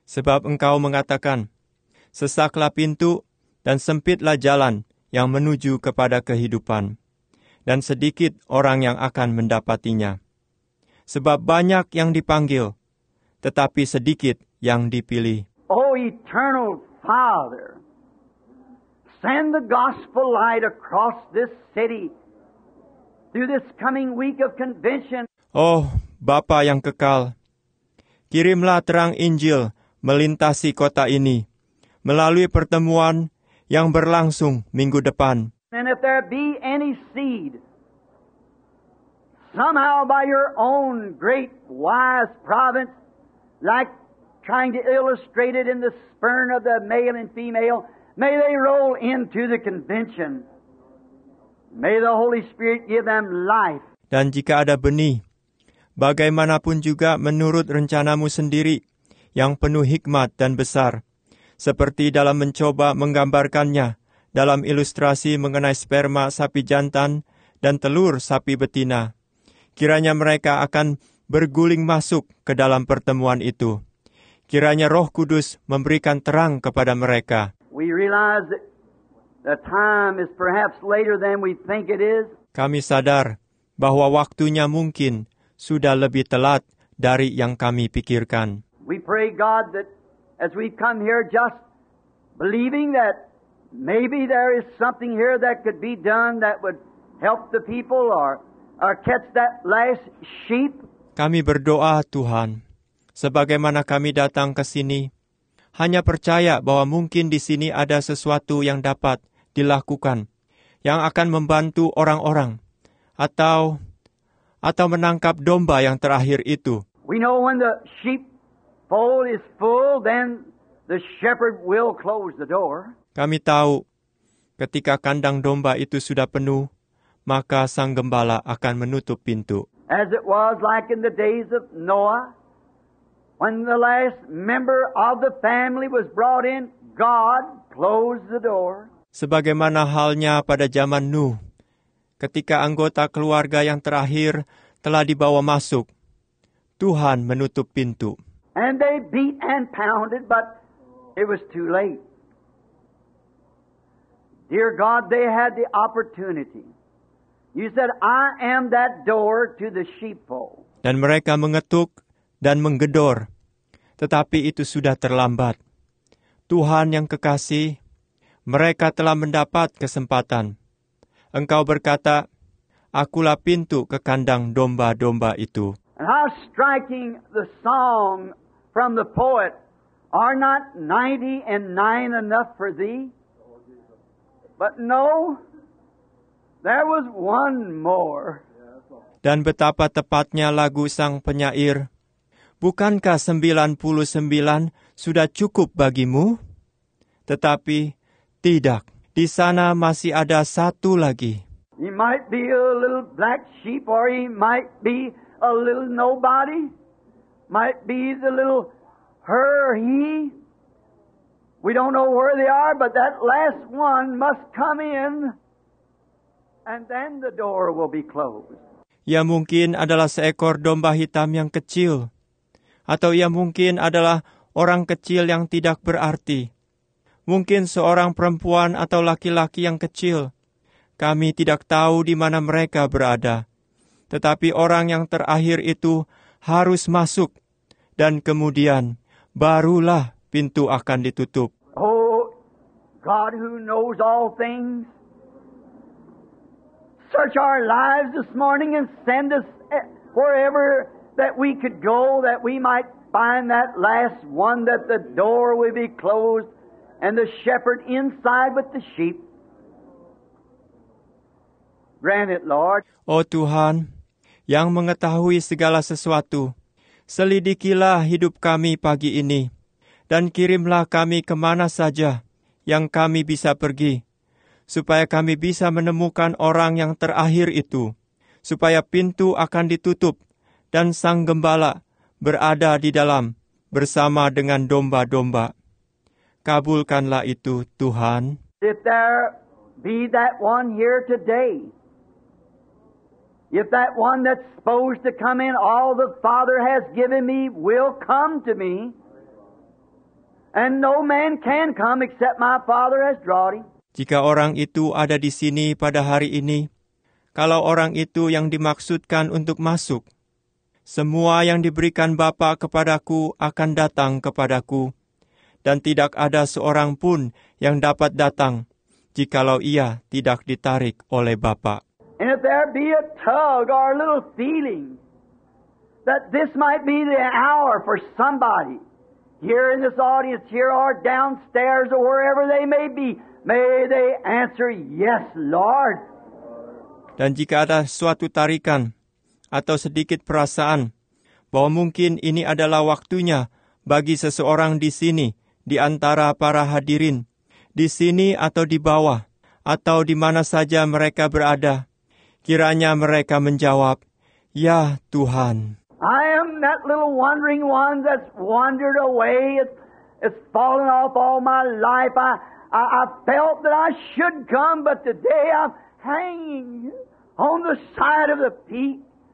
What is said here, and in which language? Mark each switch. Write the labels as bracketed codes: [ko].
[id] Sebab Engkau mengatakan, sesaklah pintu dan sempitlah jalan yang menuju kepada kehidupan, dan sedikit orang yang akan mendapatinya. Sebab banyak yang dipanggil, tetapi sedikit yang dipilih. [en] Oh, Eternal Father, send the gospel light across this city through this coming week of convention. [id] Oh, Bapa yang kekal, kirimlah terang Injil melintasi kota ini melalui pertemuan yang berlangsung minggu depan. [en] And if there be any seed, somehow by your own great wise providence, like trying to illustrate it in the spurn of the male and female, may they roll into the convention. May the Holy Spirit give them life. [id] Dan jika ada benih, bagaimanapun juga menurut rencanamu sendiri yang penuh hikmat dan besar, seperti dalam mencoba menggambarkannya dalam ilustrasi mengenai sperma sapi jantan dan telur sapi betina, kiranya mereka akan berguling masuk ke dalam pertemuan itu. Kiranya Roh Kudus memberikan terang kepada mereka. [en] We realize that the time is perhaps later than we think it is. [id] Kami sadar bahwa waktunya mungkin sudah lebih telat dari yang kami pikirkan. [en] We pray God that as we come here just believing that maybe there is something here that could be done that would help the people or catch that last sheep. [id] Kami berdoa Tuhan, sebagaimana kami datang ke sini, hanya percaya bahwa mungkin di sini ada sesuatu yang dapat dilakukan yang akan membantu orang-orang atau menangkap domba yang terakhir itu. [en] We know when the sheepfold is full, then the shepherd will close the door. [id] Kami tahu ketika kandang domba itu sudah penuh, maka sang gembala akan menutup pintu. [en] As it was like in the days of Noah, when the last member of the family was brought in, God closed the door. [id] Sebagaimana halnya pada zaman Nuh, ketika anggota keluarga yang terakhir telah dibawa masuk, Tuhan menutup pintu. [en] And they beat and pounded, but it was too late. Dear God, they had the opportunity. You said, I am that door to the sheepfold. [id] Dan mereka mengetuk dan menggedor, tetapi itu sudah terlambat. Tuhan yang kekasih, mereka telah mendapat kesempatan. Engkau berkata, akulah pintu ke kandang domba-domba itu. [en] And how striking the song from the poet, are not 99 enough for thee? But no, there was one more. [id] Dan betapa tepatnya lagu sang penyair, bukankah 99 sudah cukup bagimu? Tetapi tidak, di sana masih ada satu lagi. [en] He might be a little black sheep, or he might be a little nobody, might be the little her or he. We don't know where they are, but that last one must come in, and then the door will be closed. [id] Ya mungkin adalah seekor domba hitam yang kecil, atau ya mungkin adalah orang kecil yang tidak berarti. Mungkin seorang perempuan atau laki-laki yang kecil. Kami tidak tahu di mana mereka berada. Tetapi orang yang terakhir itu harus masuk. Dan kemudian, barulah pintu akan ditutup. [en] Oh, God who knows all things. Search our lives this morning and send us wherever that we could go, that we might find that last one, that the door would be closed and the shepherd inside with the sheep. Grant it, Lord. [id] Oh Tuhan, yang mengetahui segala sesuatu, selidikilah hidup kami pagi ini, dan kirimlah kami kemana saja yang kami bisa pergi, supaya kami bisa menemukan orang yang terakhir itu, supaya pintu akan ditutup, dan sang gembala berada di dalam bersama dengan domba-domba. Kabulkanlah itu, Tuhan. [en] If there be that one here today, if that one that's supposed to come in, all the Father has given me will come to me, and no man can come except my Father has drawn him. [id] Jika orang itu ada di sini pada hari ini, kalau orang itu yang dimaksudkan untuk masuk, semua yang diberikan Bapa kepadaku akan datang kepadaku, dan tidak ada seorang pun yang dapat datang jikalau ia tidak ditarik oleh Bapa. [en] And if there be a tug or a little feeling that this might be the hour for somebody here in this audience, here or downstairs or wherever they may be, may they answer, yes, Lord. [id] Dan jika ada suatu tarikan atau sedikit perasaan bahwa mungkin ini adalah waktunya bagi seseorang di sini, di antara para hadirin, di sini atau di bawah, atau di mana saja mereka berada, kiranya mereka menjawab, ya Tuhan. [en] I am that little wandering one that's wandered away. It's fallen off all my life. I felt that I should come, but today I'm hanging on the side of the peak.